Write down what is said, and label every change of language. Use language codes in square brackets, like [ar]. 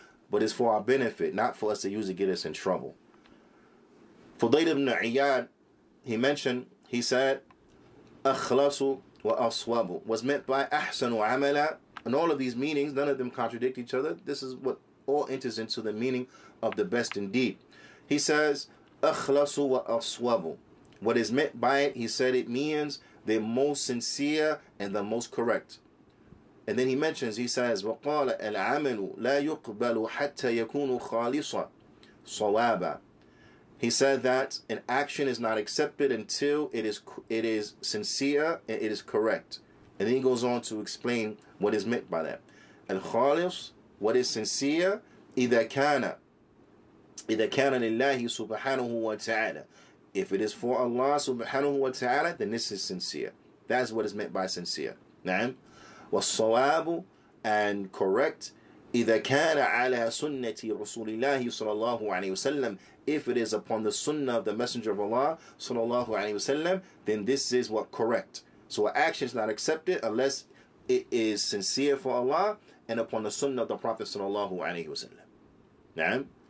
[en] But it's for our benefit, not for us to use it to get us in trouble. Fudayl ibn Iyad, he mentioned, he said, [ar] أَخْلَصُ وَأَصْوَبُ [en] was meant by [ar] أَحْسَنُ عَمَلَ. [en] And all of these meanings, none of them contradict each other. This is what all enters into the meaning of the best indeed. He says, [ar] أَخْلَصُ وَأَصْوَبُ. [en] What is meant by it, he said, it means the most sincere and the most correct. And then he mentions, he says, [ar] وَقَالَ الْعَمَلُ لَا يُقْبَلُ حَتَّى يَكُونُ خَالِصًا صَوَابًا. [en] He said that an action is not accepted until it is sincere and it is correct. And then he goes on to explain what is meant by that. [ar] الْخَالِصُ, [en] what is sincere, [ar] إِذَا كَانَ لِلَّهِ سُبْحَانَهُ وَتَعَالَى. [en] If it is for Allah subhanahu wa ta'ala, then this is sincere. That's what is meant by sincere. [ar] Na'am. وَالصَّوَابُ [en] and correct, [ar] إِذَا كَانَ عَلَى سُنَّةِ رَسُولِ اللَّهِ صَلَى اللَّهُ عَلَيْهِ وَسَلَّمْ. [en] If it is upon the sunnah of the Messenger of Allah صَلَى اللَّهُ عَلَيْهِ وَسَلَّمْ, then this is what correct. So action is not accepted unless it is sincere for Allah and upon the sunnah of the Prophet صَلَى اللَّهُ عَلَيْهِ وَسَلَّمْ. Na'am.